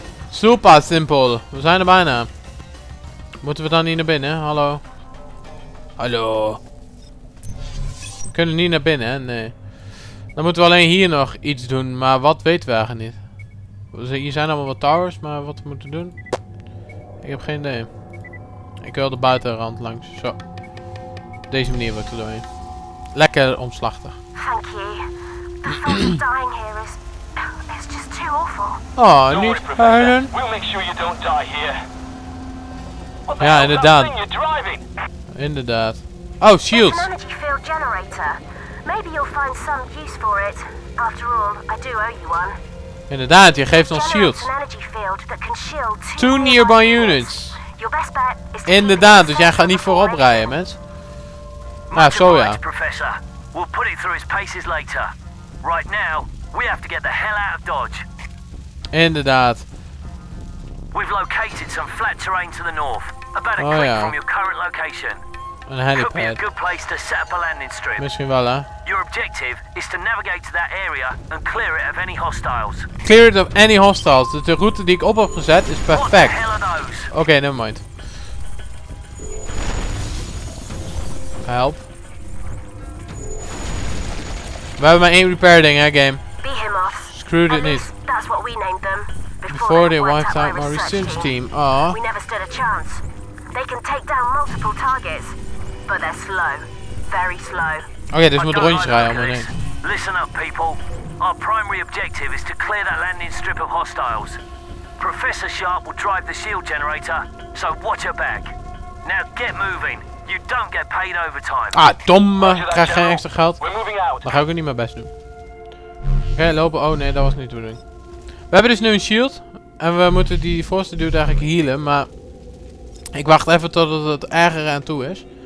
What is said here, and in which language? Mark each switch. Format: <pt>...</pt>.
<nl>Super simpel. We zijn er bijna. Moeten we dan niet naar binnen? Hallo. Hallo. We kunnen niet naar binnen, hè? Nee. Dan moeten we alleen hier nog iets doen. Maar wat weten we eigenlijk niet? Hier zijn allemaal wat towers, maar wat we moeten doen? Ik heb geen idee. Ik wil de buitenrand langs. Zo. Deze manier wil ik er doorheen. Lekker omslachtig. Dank je.</nl> <en>The thought of dying here is just too awful.</en> <nl>Oh, niet.</nl> <en>We'll make sure you don't die here.</en> <nl>Ja, inderdaad. Inderdaad.</nl> <en>Oh, shields. An energy field generator. Maybe you'll find some use for it. After all, I do owe you one.</en> <nl>Inderdaad, je geeft ons shields.</nl> <en>An energy field that can shield two nearby units. Your best bet is</en> <nl>inderdaad, dus jij gaat niet voorop rijden, mens. Ah, zo ja.</nl> <en>We'll put it through his paces later. Right now, we have to get the hell out of Dodge.</en> <nl>Inderdaad.</nl> <en>We've located some flat terrain to the north, about a click from your current location.</en> <nl>Een helipad.</nl> <en>Could be a good place to set up a landing strip.</en> <nl>Misschien wel, hè?</nl> <en>Your objective is to navigate to that area and clear it of any hostiles. Clear it of any hostiles.</en> <nl>Dus de route die ik op heb gezet is perfect. Oké,</nl> <en>never mind.</en> <nl>Help. We hebben maar één repair ding, hè, game. Screw dit niet.</nl> <en>That's what we named them. Before they wiped out my research team. Aww. We never stood a chance. They can take down multiple targets. But they're slow. Very slow.</en> <nl>Oké, dus moet rondjes rijden, maar nee.</nl> <en>Listen up, people. Our primary objective is to clear that landing strip of hostiles. Professor Sharp will drive the shield generator, so watch your back. Now get moving. You don't get paid overtime.</en> <nl>Ah, domme. Ik krijg geen extra geld. Dan ga ik ook niet mijn best doen. Oké, lopen. Oh nee, dat was niet de bedoeling. We hebben dus nu een shield. En we moeten die voorste dude eigenlijk healen, maar ik wacht even totdat het erger aan toe is.</nl>